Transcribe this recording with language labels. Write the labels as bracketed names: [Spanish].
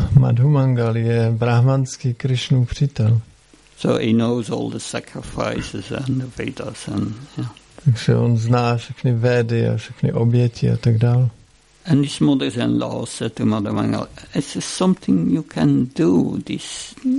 [Czech] Madhu Mangal je brahmanský Krishnu přítel. [English] So he knows all the sacrifices and the Vedas and [Czech] Takže on zná všechny Vedy a všechny oběti a tak dál. [English] And his mother-in-law said to Madhu Mangala, "Is there something you can do this?"